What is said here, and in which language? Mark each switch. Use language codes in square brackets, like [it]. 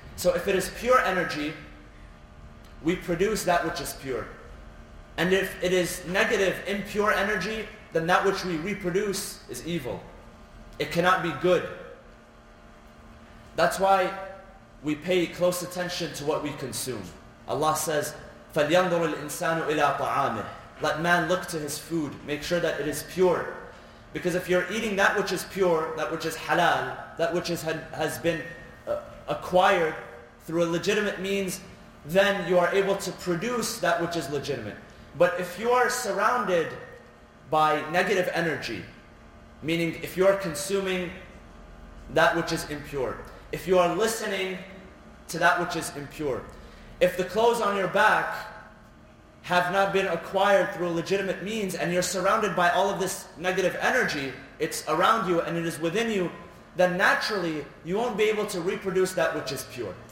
[en] So if it is pure energy, we produce that which is pure. And if it is negative, impure energy, then that which we reproduce is evil. It cannot be good. That's why we pay close attention to what we consume. Allah says, [ar] فَلْيَنْظُرُ الْإِنسَانُ إِلَىٰ طَعَامِهِ. [en] Let man look to his food, make sure that it is pure. Because if you're eating that which is pure, that which is halal, that which has been acquired through a legitimate means, then you are able to produce that which is legitimate. But if you are surrounded by negative energy, meaning if you are consuming that which is impure, if you are listening to that which is impure, if the clothes on your back have not been acquired through a legitimate means and you're surrounded by all of this negative energy, it's around you and it is within you, then naturally you won't be able to reproduce that which is pure.